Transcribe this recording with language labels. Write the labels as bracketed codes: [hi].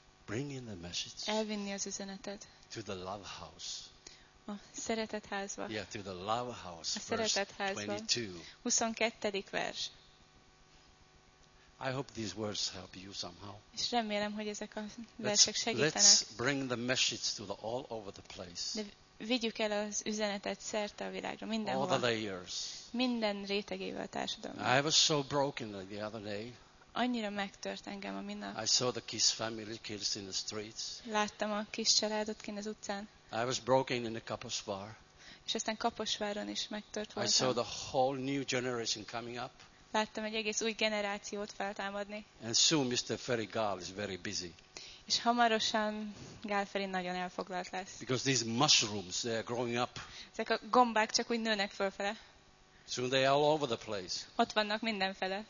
[en] Bring in the message. [hu] Elvinni az üzenetet. [en] To the love house. [hu] A szeretet házba. [en] Yeah, to the love house. [hu] A szeretet házba. 22. vers. [en] I hope these words help you somehow. [hu] És remélem, hogy ezek a versek segítenek. [en] Let's bring the message to the all over the place. [hu] De vigyük el az üzenetet szerte a világra, mindenhol. [en] All the layers. [hu] Minden rétegével a társadalom. [en] I was so broken the other day. [hu] Annyira megtört engem a minap. [en] I saw the kiss family kids in the streets. [hu] Láttam a kis családot kint az utcán. [en] I was broken in the Kaposvár. [hu] És aztán Kaposváron is megtört voltam. [en] I saw the whole new generation coming up. [hu] Láttam egy egész új generációt feltámadni. [en] And soon Mr. Ferry Gál is very busy. [hu] És hamarosan Gál Ferry nagyon elfoglalt lesz. [en] Because these mushrooms, they are growing up. [hu] Ezek a gombák csak úgy nőnek fölfele. [en] Soon they are all over the place. [hu] Ott vannak mindenfele.